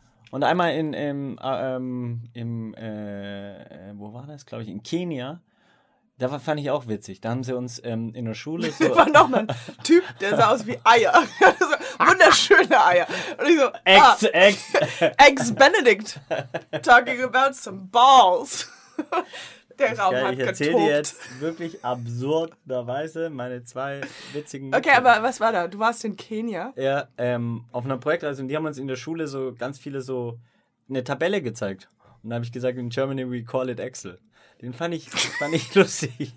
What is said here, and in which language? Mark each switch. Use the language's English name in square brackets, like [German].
[German] Und einmal in Kenia, da fand ich auch witzig. Da haben sie uns in der Schule so... Da war noch ein Typ, der sah aus wie Eier. Wunderschöne Eier. Und ich so, Eggs Benedict. [English] Talking about some balls. [German] Der Raum hat getobt. Ich erzähle dir jetzt wirklich absurderweise meine zwei witzigen... Okay, Mütze. Aber was war da? Du warst in Kenia? Ja, auf einer Projektreise. Und die haben uns in der Schule so ganz viele so eine Tabelle gezeigt. Und da habe ich gesagt, [English] in Germany we call it Excel. [German] Den fand ich lustig.